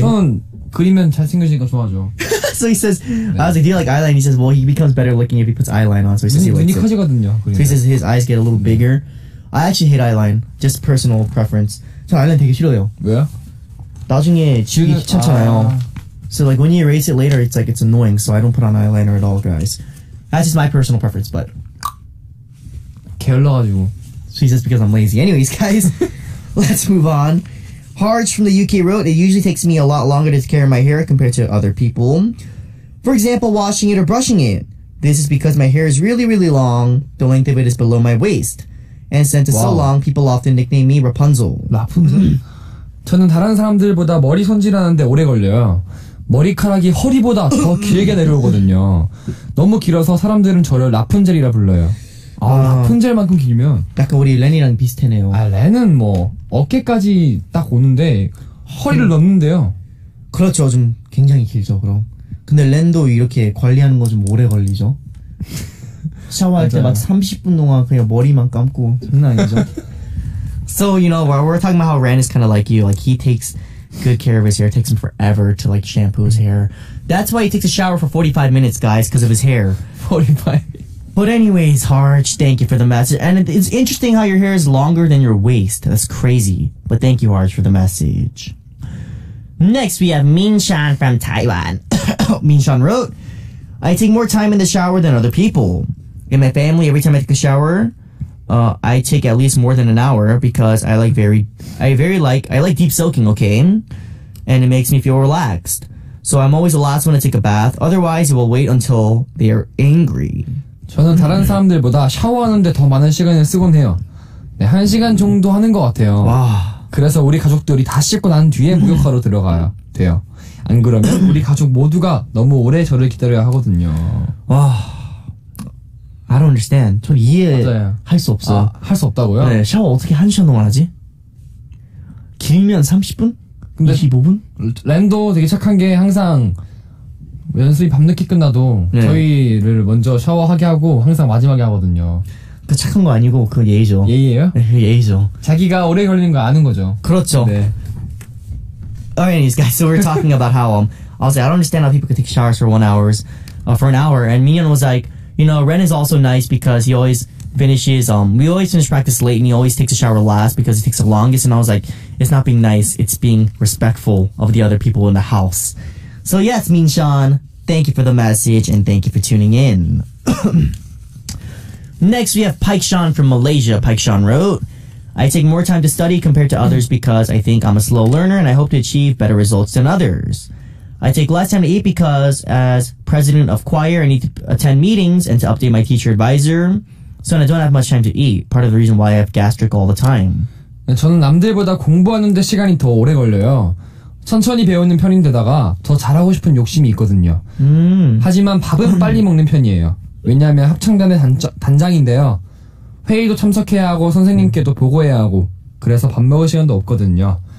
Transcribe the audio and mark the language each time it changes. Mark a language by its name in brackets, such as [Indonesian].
[Korean] 저는 그리면 잘생겨지니까 좋아하죠. [English] So he says, 네. I was like, do you like eyeliner? He says, well, he becomes better looking if he puts eyeliner on. So he says he likes it. [Korean] 눈이 커지거든요. [English] So he says his eyes get a little bigger. I actually hate eyeliner. Just personal preference. [Korean] 저 아이라인 되게 싫어요. 왜요? 나중에 지우기 귀찮잖아요. [English] So like when you erase it later, it's like it's annoying. So I don't put on eyeliner at all, guys. That's just my personal preference, but. [Korean] 게을러가지고. [English] So he says because I'm lazy. Anyways, guys, let's move on. Harge from the UK wrote, it usually takes me a lot longer to take care of my hair compared to other people. For example, washing it or brushing it. This is because my hair is really, really long. The length of it is below my waist. And since it's wow. so long, people often nickname me Rapunzel. Rapunzel? [Korean] 저는 다른 사람들보다 머리 손질하는데 오래 걸려요. 머리카락이 허리보다 더 길게 내려오거든요. 너무 길어서 사람들은 저를 라푼젤이라 불러요. 아, 라푼젤만큼 길면 약간 우리 렌이랑 비슷하네요. 아, 렌은 뭐 어깨까지 딱 오는데 허리를 넣는데요. 그렇죠. 좀 굉장히 길죠, 그럼. 근데 렌도 이렇게 관리하는 거 좀 오래 걸리죠. 샤워할 때 막 30분 동안 그냥 머리만 감고 장난 아니죠. [English] So, you know, while we're talking about how Ren is kind of like you, like he takes good care of his hair. It takes him forever to like shampoo his hair. That's why he takes a shower for 45 minutes, guys, because of his hair. 45. But anyways, Harge, thank you for the message. And it's interesting how your hair is longer than your waist. That's crazy. But thank you, Harge, for the message. Next, we have Minshan from Taiwan. Minshan wrote, I take more time in the shower than other people. In my family, every time I take a shower, I take at least more than an hour because I like deep soaking, okay? And it makes me feel relaxed. So I'm always the last one to take a bath. Otherwise, it will wait until they're angry. [Korean] 저는 다른 사람들보다 샤워하는데 더 많은 시간을 쓰곤 해요. 네, 한 시간 정도 하는 것 같아요. 와. 그래서 우리 가족들이 다 씻고 난 뒤에 목욕하러 들어가야 돼요. 안 그러면 우리 가족 모두가 너무 오래 저를 기다려야 하거든요. 와. [English] I don't understand. [Korean] 저 이해할 수 없어요. 아, 할 수 없다고요? 네, 샤워 어떻게 한 시간 동안 하지? 길면 30분? 근데 25분? 랜도 되게 착한 게 항상 연습이 밤늦게 끝나도 네. 저희를 먼저 샤워하게 하고 항상 마지막에 하거든요. 그 착한 거 아니고 그 예의죠. 예의예요? 네, 예의죠. 자기가 오래 걸리는 거 아는 거죠. 그렇죠. 네. [English] Alright, guys. So we're talking about how I don't understand how people can take showers for an hour. And Minyeon was like, you know, Ren is also nice because he always finishes. We always finish practice late, and he always takes a shower last because he takes the longest. And I was like, it's not being nice. It's being respectful of the other people in the house. So yes, Minshan, thank you for the message and thank you for tuning in. Next, we have Pike Sean from Malaysia. Pike Sean wrote, I take more time to study compared to others because I think I'm a slow learner and I hope to achieve better results than others. I take less time to eat because as president of choir, I need to attend meetings and to update my teacher advisor. So I don't have much time to eat. Part of the reason why I have gastric all the time. [Korean] 저는 남들보다 공부하는 데 시간이 더 오래 걸려요. 천천히 배우는 편인데다가 더 잘하고 싶은 욕심이 있거든요. 하지만 밥은 빨리 먹는 편이에요. 왜냐하면 합창단의 단장인데요. 회의도 참석해야 하고 선생님께도 보고해야 하고 그래서 밥 먹을 시간도 없거든요.